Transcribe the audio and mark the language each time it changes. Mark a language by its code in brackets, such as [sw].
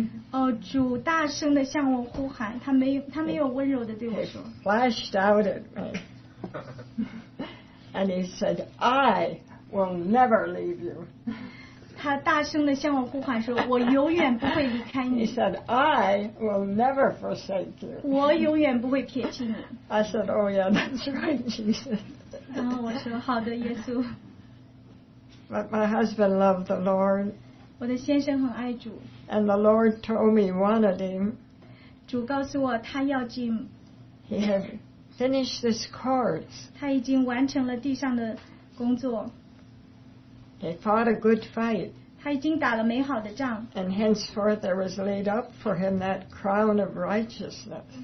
[zh] 哦，主大声的向我呼喊，他没有温柔的对我说。 [en] He flashed out at me, and he said, "I will never leave you." [zh] 他大声的向我呼喊说，我永远不会离开你。 [en] He said, "I will never forsake you." [zh] 我永远不会撇弃你。 [en] I said, "Oh yeah, that's right, Jesus." [zh] 然后我说，好的，耶稣。 [en] But my husband loved the Lord. [zh] 我的先生很爱主。 [en] And the Lord told me he wanted him. [zh] 主告诉我他要Jim. [en] He had finished this course. [zh] 他已经完成了地上的工作. [en] He fought a good fight. [zh] 他已经打了美好的仗. [en] And henceforth there was laid up for him that crown of righteousness.